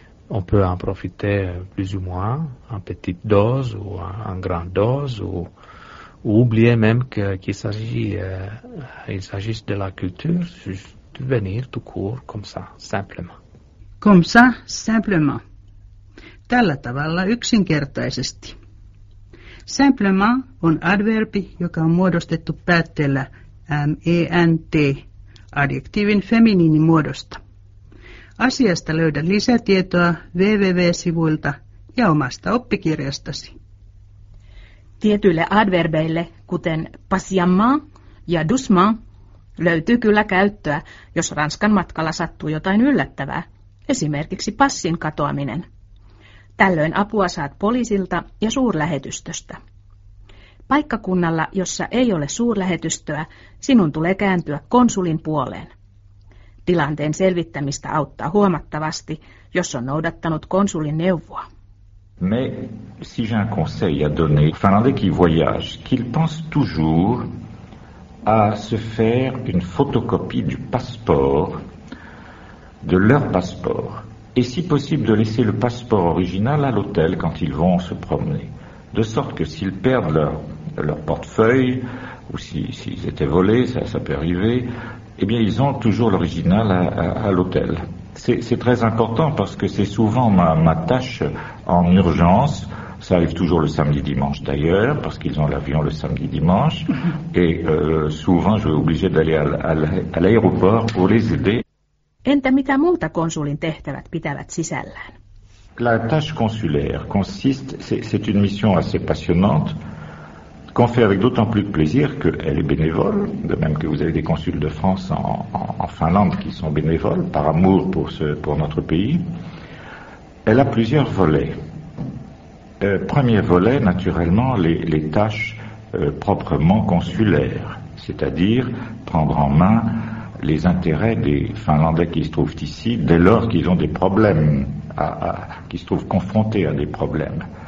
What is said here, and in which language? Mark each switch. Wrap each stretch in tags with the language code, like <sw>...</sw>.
<fr>On peut en profiter plus ou moins, en petite dose ou en grande dose, ou oublier même qu'il s'agisse de la culture, juste venir tout court, comme ça, simplement. Comme ça, simplement.</fr> <fi>Tällä tavalla yksinkertaisesti. Simplement on adverbi, joka on muodostettu päätteellä ment, adjektiivin feminiinimuodosta. Asiasta löydä lisätietoa www-sivuilta ja omasta oppikirjastasi. Tietyille adverbeille, kuten patiemment ja doucement, löytyy kyllä käyttöä, jos Ranskan matkalla sattuu jotain yllättävää, esimerkiksi passin katoaminen. Tällöin apua saat poliisilta ja suurlähetystöstä. Paikkakunnalla, jossa ei ole suurlähetystöä, sinun tulee kääntyä konsulin puoleen. Tilanteen selvittämistä auttaa huomattavasti, jos on noudattanut konsulin neuvoa.</fi> <fr>Mais si j'ai un conseil à donner aux Finlandais qui voyagent, qu'ils pensent toujours à se faire une photocopie du passeport, de leur passeport. Et si possible de laisser le passeport original à l'hôtel quand ils vont se promener. De sorte que s'ils perdent leur portefeuille, ou s'ils étaient volés, ça peut arriver, eh bien ils ont toujours l'original à l'hôtel. C'est très important parce que c'est souvent ma tâche en urgence. Ça arrive toujours le samedi dimanche d'ailleurs, parce qu'ils ont l'avion le samedi dimanche. Et souvent je suis obligé d'aller à l'aéroport pour les aider.</fr> <fi>Entä mitä muuta konsulin tehtävät pitävät sisällään?</fi> <fr>La tâche consulaire consiste, c'est une mission assez passionnante, qu'on fait avec d'autant plus de plaisir qu'elle est bénévole, de même que vous avez des consuls de France en Finlande qui sont bénévoles, par amour pour notre pays. Elle a plusieurs volets. Premier volet, naturellement, les tâches proprement consulaires, c'est-à-dire prendre en main les intérêts des Finlandais qui se trouvent ici dès lors qu'ils ont des problèmes, qui se trouvent confrontés à des problèmes.</fr>